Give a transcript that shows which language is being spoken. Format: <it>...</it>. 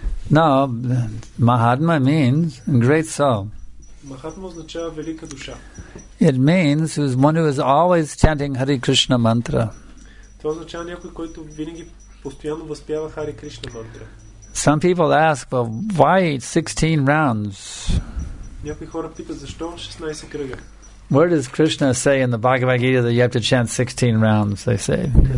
<en>No, Mahatma means great soul.</en> <bg>Mahatma означава велика душа.</bg> <en>It means who is one who is always chanting Hare Krishna mantra.</en> <bg>Това означава някой, който винаги постоянно възпява Hare Krishna mantra.</bg> <en>Some people ask, well, why 16 rounds?</en> <bg>Някои хора питат защо 16 кръга.</bg> <en>Where does Krishna say in the Bhagavad Gita that you have to chant 16 rounds, they say?</en>